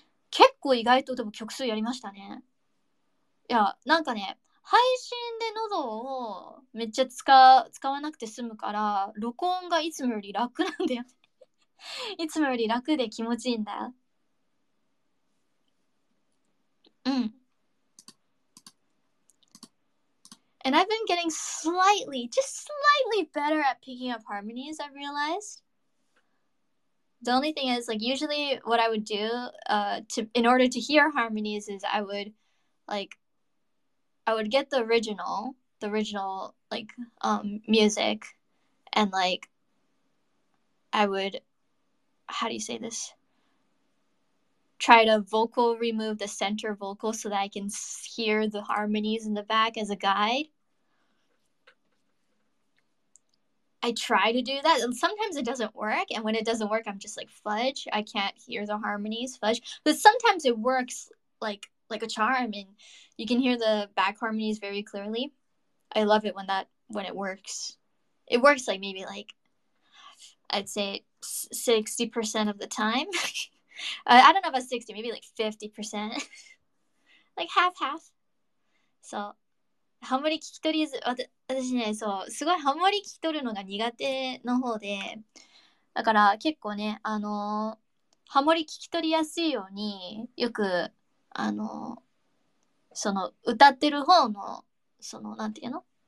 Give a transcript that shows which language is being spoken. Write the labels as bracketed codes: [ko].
[ja] 結構意外とでも曲数やりましたね。いや、なんかね、配信で喉をめっちゃ使わなくて済むから、録音がいつもより楽なんだよ。いつもより楽で気持ちいいんだよ。うん。 [en] And I've been getting slightly, just slightly better at picking up harmonies, I've realized. The only thing is, like, usually what I would do in order to hear harmonies is I would get the original, like, music, and, like, I would, how do you say this? Try to vocal remove the center vocal so that I can hear the harmonies in the back as a guide. I try to do that, and sometimes it doesn't work, and when it doesn't work, I'm just like, fudge, I can't hear the harmonies, fudge. But sometimes it works like a charm, and you can hear the back harmonies very clearly. I love it when it works. It works like maybe like, I'd say 60% of the time. I don't know about 60, maybe like 50%. Like half. So... [ja] ハモリ聞き取り、私ね、そう、すごいハモリ聞き取るのが苦手の方で、だから結構ね、ハモリ聞き取りやすいように、よく、その、歌ってる方の、その、なんていうの?